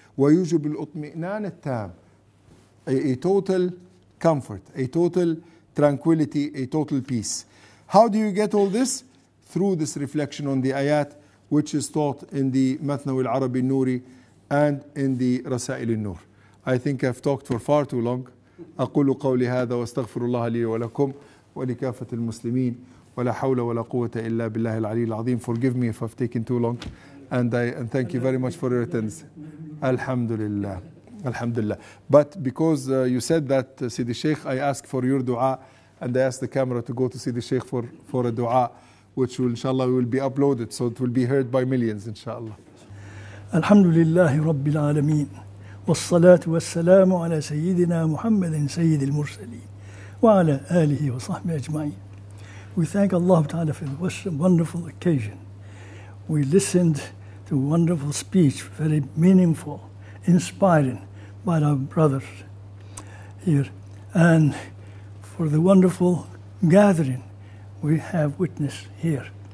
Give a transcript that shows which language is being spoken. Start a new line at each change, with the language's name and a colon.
Arabic: ويوجب الاطمئنان التام,
English: a total comfort, a total tranquility, a total peace. How do you get all this? Through this reflection on the ayat, which is taught in the Mathnawi al-Arabi al-Nuri and in the Rasail al-Nur. I think I've talked for far too long.
Arabic: أقول قولي هذا واستغفر الله لي ولكم ولكافة المسلمين ولا حول ولا قوة إلا بالله العلي العظيم.
English: Forgive me if I've taken too long, and thank you very much for your attendance.
Arabic: الحمد لله. الحمد لله.
English: But because you said that, Sidi Sheikh, I ask for your dua, and I asked the camera to go to Sidi Sheikh for a dua, which will, inshallah, will be uploaded, so it will be heard by millions, inshallah.
Arabic: الحمد لله رب العالمين والصلاة والسلام على سيدنا محمد سيد المرسلين وعلى آله وصحبه أجمعين.
English: We thank Allah Ta'ala for this wonderful occasion. We listened to a wonderful speech, very meaningful, inspiring, by our brother here, and for the wonderful gathering we have witnessed here.